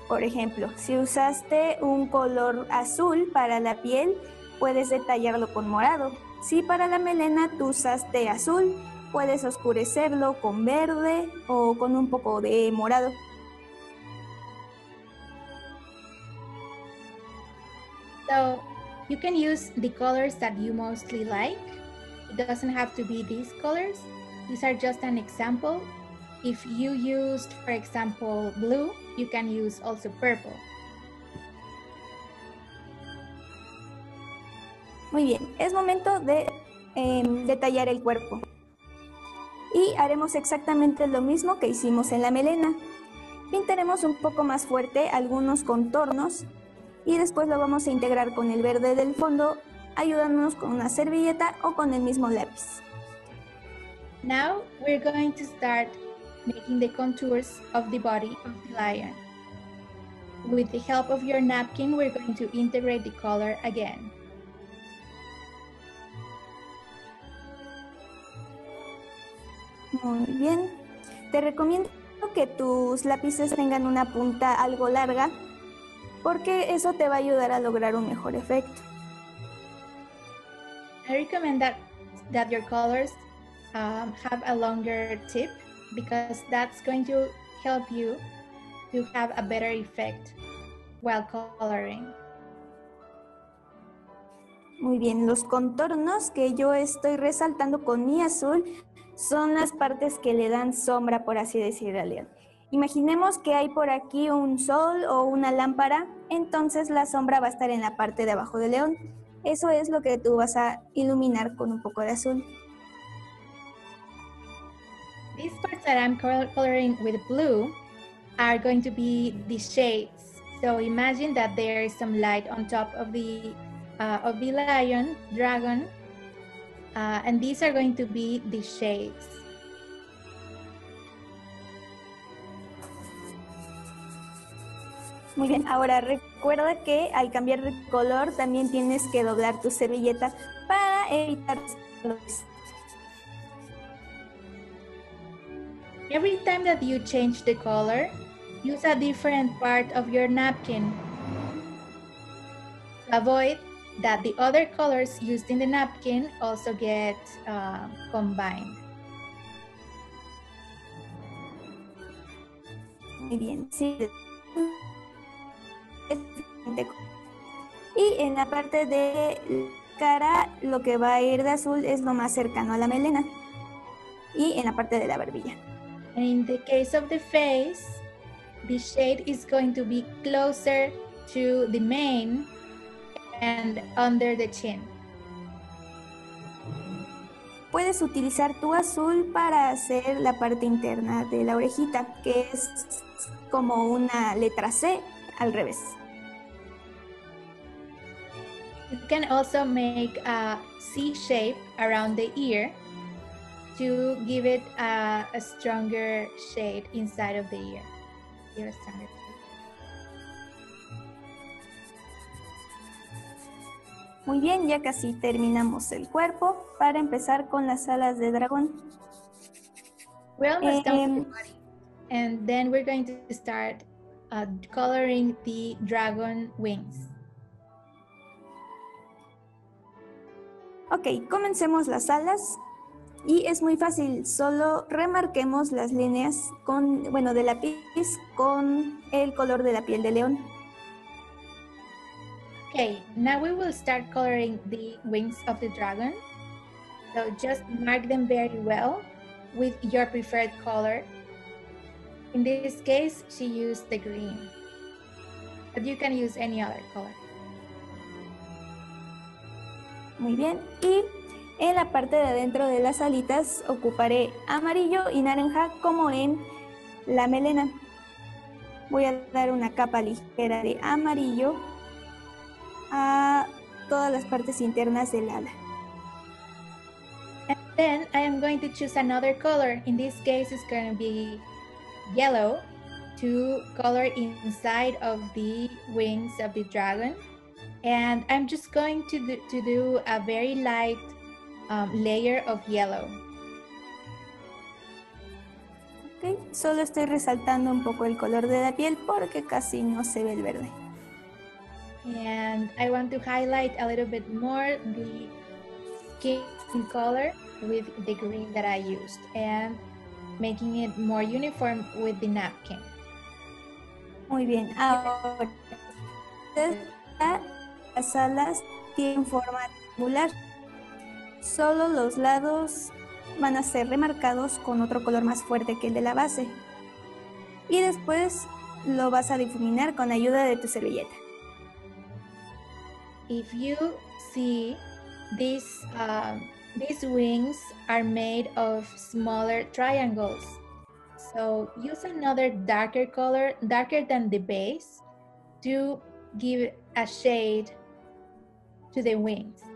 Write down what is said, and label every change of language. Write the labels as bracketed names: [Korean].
[Spanish] Por ejemplo, si usaste un color azul para la piel, puedes detallarlo con morado. Si para la melena tú usaste azul, puedes oscurecerlo con verde o con un poco de morado. [English] So, you can use the colors that you mostly like. It doesn't have to be these colors. These are just an example. If you used, for example, blue, you can use also purple. [Spanish] Muy bien, es momento de detallar el cuerpo. Y haremos exactamente lo mismo que hicimos en la melena. Pintaremos un poco más fuerte algunos contornos y después lo vamos a integrar con el verde del fondo, ayudándonos con una servilleta o con el mismo lápiz. [English] Now we're going to start making the contours of the body of the lion. With the help of your napkin, we're going to integrate the color again. [Spanish] Muy bien, te recomiendo que tus lápices tengan una punta algo larga porque eso te va a ayudar a lograr un mejor efecto. [English] I recommend that your colors have a longer tip because that's going to help you to have a better effect while coloring. [Spanish] Muy bien, los contornos que yo estoy resaltando con mi azul son las partes que le dan sombra, por así decir, al león. Imaginemos que hay por aquí un sol o una lámpara, entonces la sombra va a estar en la parte de abajo del león. Eso es lo que tú vas a iluminar con un poco de azul. [English] These parts that I'm coloring with blue are going to be the shades. So imagine that there is some light on top of the lion, dragon, and these are going to be the shades. [Spanish] Muy bien, ahora recuerda que al cambiar de color también tienes que doblar tu servilleta para evitar los... [English] Every time that you change the color, use a different part of your napkin. Avoid that the other colors used in the napkin also get combined. [Spanish] Muy bien, sí. Y en la parte de cara, lo que va a ir de azul es lo más cercano a la melena. Y en la parte de la barbilla. [English] And in the case of the face, the shade is going to be closer to the mane and under the chin. [Spanish] Puedes utilizar tu azul para hacer la parte interna de la orejita, que es como una letra C al revés. [English] You can also make a C shape around the ear to give it a stronger shade inside of the ear. [Spanish] Muy bien, ya casi terminamos el cuerpo para empezar con las alas de dragón. [English] We're almost done with the body. And then we're going to start coloring the dragon wings. [Spanish] Ok, comencemos las alas. Y es muy fácil, solo remarquemos las líneas con, bueno, de lápiz con el color de la piel de león. [English] Okay, now we will start coloring the wings of the dragon. So just mark them very well with your preferred color. In this case, she used the green. But you can use any other color. [Spanish] Muy bien, y en la parte de adentro de las alitas ocuparé amarillo y naranja como en la melena. Voy a dar una capa ligera de amarillo a todas las partes internas del ala. [English] And then I am going to choose another color. In this case it's going to be yellow to color inside of the wings of the dragon. And I'm just going to do a very light layer of yellow. [Spanish] Okay, solo estoy resaltando un poco el color de la piel porque casi no se ve el verde. [English] And I want to highlight a little bit more the skin color with the green that I used and making it more uniform with the napkin. [Spanish] Muy bien, ahora las alas tienen forma triangular. Solo los lados van a ser remarcados con otro color más fuerte que el de la base. Y después lo vas a difuminar con ayuda de tu servilleta. [English] If you see, these wings are made of smaller triangles. So use another darker color, darker than the base, to give a shade to the wings.